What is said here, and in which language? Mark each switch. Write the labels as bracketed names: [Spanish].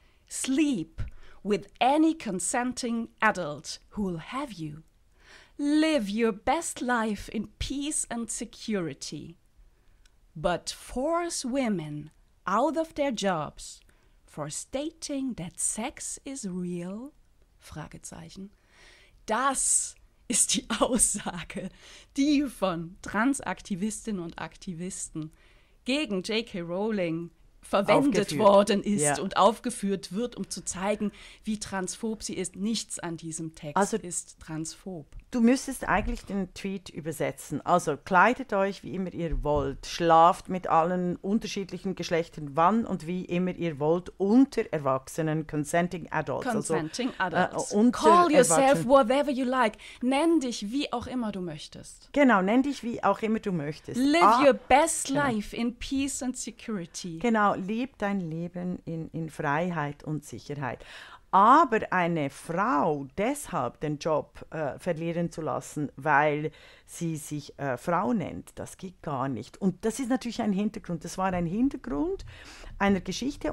[English] Sleep with any consenting adult who'll have you. Live your best life in peace and security. But force women out of their jobs for stating that sex is real? [German] Fragezeichen. Das ist die Aussage, die von Transaktivistinnen und Aktivisten gegen J.K. Rowling verwendet aufgeführt. Worden ist ja. Und aufgeführt wird, um zu zeigen, wie transphob sie ist. Nichts an diesem Text also, ist transphob. Du müsstest eigentlich den Tweet übersetzen. Also kleidet euch, wie immer ihr wollt. Schlaft mit allen unterschiedlichen Geschlechtern, wann und wie immer ihr wollt, unter Erwachsenen, [English] consenting adults. Consenting also, adults. Call yourself whatever you like. [German] Nenn dich, wie auch immer du möchtest. Genau, nenn dich, wie auch immer du möchtest. [English] Live your best life in peace and security. [German] Genau, leb dein Leben in Freiheit und Sicherheit. Aber eine Frau deshalb den Job verlieren zu lassen, weil sie sich Frau nennt, das geht gar nicht. Und das ist natürlich ein Hintergrund. Das war ein Hintergrund einer Geschichte.